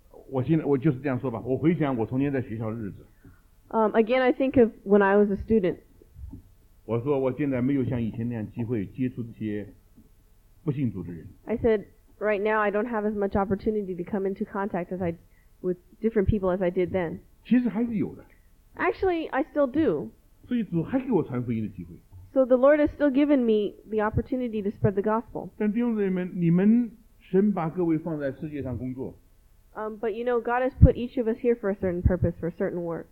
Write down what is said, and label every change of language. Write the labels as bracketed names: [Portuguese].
[Chinese] 我就是这样说吧，我回想我从前在学校的日子。 [English] Again, I think of when I was a student. [Chinese] 我说我现在没有像以前那样机会接触这些不信主的人。 [English] I said, right now I don't have as much opportunity to come into contact as I, with different people as I did then. [Chinese] 其实还是有的。 [English] Actually, I still do. [Chinese] 所以主还给我传福音的机会。 [English] So the Lord has still given me the opportunity to spread the gospel. [Chinese] 但弟兄姊妹们，你们神把各位放在世界上工作。 [English] But you know, God has put each of us here for a certain purpose, for a certain work.